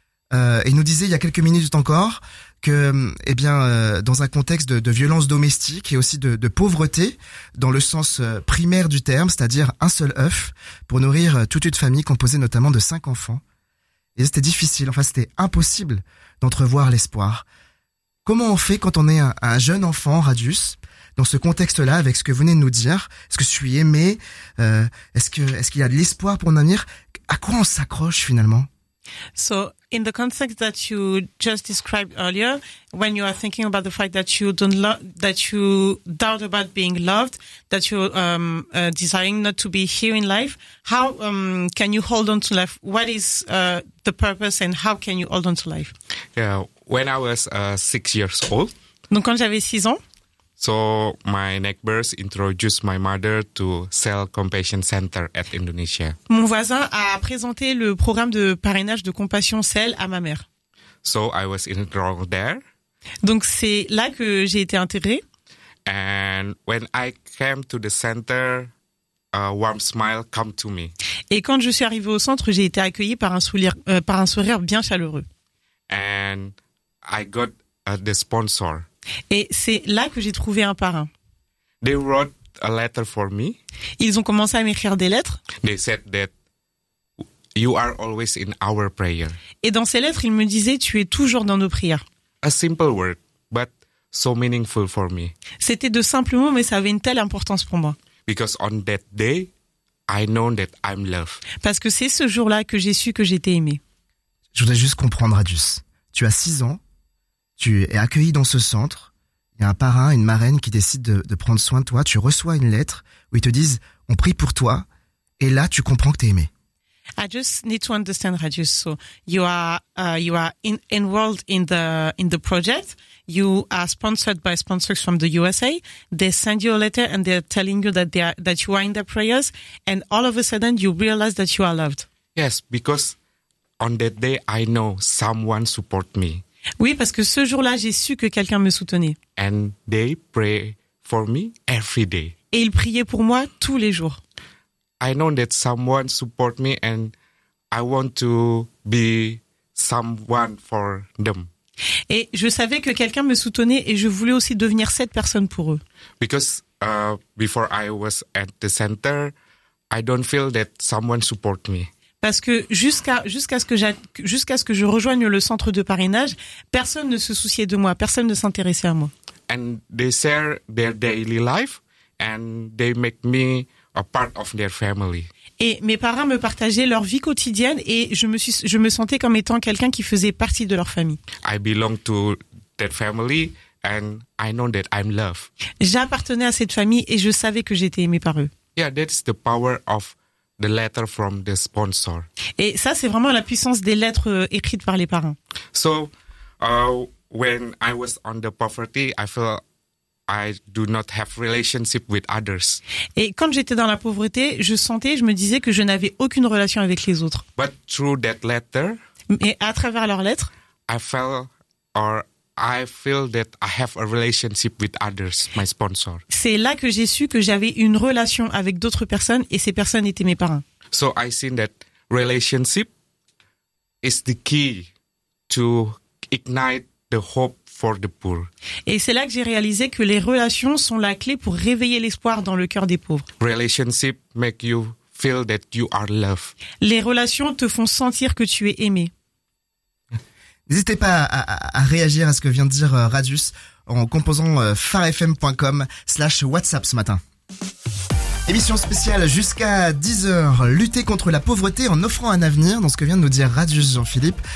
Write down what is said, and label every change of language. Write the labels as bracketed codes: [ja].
[fr] Il nous disait il y a quelques minutes encore que, eh bien, dans un contexte de violence domestique et aussi de pauvreté, dans le sens primaire du terme, c'est-à-dire un seul œuf pour nourrir toute une famille composée notamment de 5 enfants, et c'était difficile, enfin c'était impossible d'entrevoir l'espoir. Comment on fait quand on est un jeune enfant, Radius, dans ce contexte-là, avec ce que vous venez de nous dire? Est-ce que je suis aimé? Est-ce qu'il y a de l'espoir pour mon avenir? À quoi on s'accroche finalement? [en] So, in the context that you just described earlier, when you are thinking about the fact that you don't that you doubt about being loved, that you desiring not to be here in life, how can you hold on to life? What is the purpose, and how can you hold on to life? Yeah, when I was 6 years old. [fr] Donc quand j'avais 6 ans. [en] So my neighbors introduced my mother to Cell Compassion Center at Indonesia. [fr] Mon voisin a présenté le programme de parrainage de compassion Cell à ma mère. [en] So I was enrolled there. [fr] Donc c'est là que j'ai été intégrée. [en] And when I came to the center, a warm smile came to me. [fr] Et quand je suis arrivée au centre, j'ai été accueillie par un sourire bien chaleureux. [en] And I got the sponsor. [fr] Et c'est là que j'ai trouvé un parrain. [en] They wrote a letter for me. [fr] Ils ont commencé à m'écrire des lettres. [en] They said that you are always in our prayer. [fr] Et dans ces lettres, ils me disaient, tu es toujours dans nos prières. [en] A simple word, but so meaningful for me. [fr] C'était de simples mots, mais ça avait une telle importance pour moi. [en] Because on that day, I know that I'm loved. [fr] Parce que c'est ce jour-là que j'ai su que j'étais aimé. Je voudrais juste comprendre, Radius. Tu as 6 ans. Tu es accueilli dans ce centre, il y a un parrain, une marraine qui décide de prendre soin de toi, tu reçois une lettre où ils te disent « on prie pour toi » et là tu comprends que t'es aimé. [en] I just need to understand, Radius, so you are enrolled in the project, you are sponsored by sponsors from the USA, they send you a letter and they're telling you that that you are in their prayers, and all of a sudden you realize that you are loved. Yes, because on that day I know someone support me. [fr] Oui, parce que ce jour-là, j'ai su que quelqu'un me soutenait. [en] And they pray for me every day. [fr] Et ils priaient pour moi tous les jours. [en] I know that someone support me and I want to be someone for them. [fr] Et je savais que quelqu'un me soutenait et je voulais aussi devenir cette personne pour eux. [en] Because before I was at the center, I don't feel that someone support me. [fr] Parce que jusqu'à ce que je rejoigne le centre de parrainage, personne ne se souciait de moi, personne ne s'intéressait à moi. [en] And they share their daily life and they make me a part of their family. [fr] Et mes parrains me partageaient leur vie quotidienne et je me sentais comme étant quelqu'un qui faisait partie de leur famille. [en] I belong to that family and I know that I'm loved. [fr] J'appartenais à cette famille et je savais que j'étais aimé par eux. [en] Yeah, that's the power of the letter from the sponsor. [fr] Et ça, c'est vraiment la puissance des lettres écrites par les parrains. [en] So, when I was on the poverty, I felt I do not have relationship with others. [fr] Et quand j'étais dans la pauvreté, je sentais, je me disais que je n'avais aucune relation avec les autres. [en] But through that letter, [fr] mais à travers leur lettre, [en] I feel that I have a relationship with others, my sponsor. [fr] C'est là que j'ai su que j'avais une relation avec d'autres personnes et ces personnes étaient mes parents. [en] So I seen that relationship is the key to ignite the hope for the poor. [fr] Et c'est là que j'ai réalisé que les relations sont la clé pour réveiller l'espoir dans le cœur des pauvres. [en] Relationship make you feel that you are loved. [fr] Les relations te font sentir que tu es aimé. N'hésitez pas à réagir à ce que vient de dire Radius en composant farfm.com/whatsapp ce matin. Émission spéciale jusqu'à 10h. Lutter contre la pauvreté en offrant un avenir, dans ce que vient de nous dire Radius Jean-Philippe.